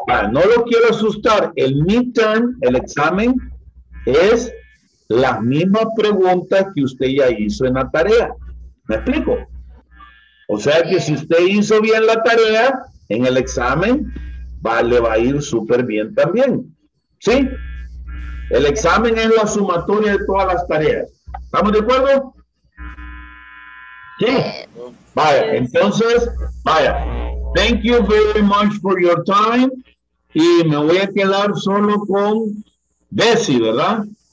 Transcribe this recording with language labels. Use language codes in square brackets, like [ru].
[es] No lo quiero asustar. El midterm, el examen, es la misma pregunta que usted ya hizo en la tarea. ¿Me explico? O sea que si usted hizo bien la tarea en el examen, le va a ir súper bien también. ¿Sí? El examen es la sumatoria de todas las tareas. ¿Estamos de acuerdo? Sí. Vaya, entonces, vaya. [en] Thank you very much for your time. [es] Y me voy a quedar solo con Bessie, ¿verdad?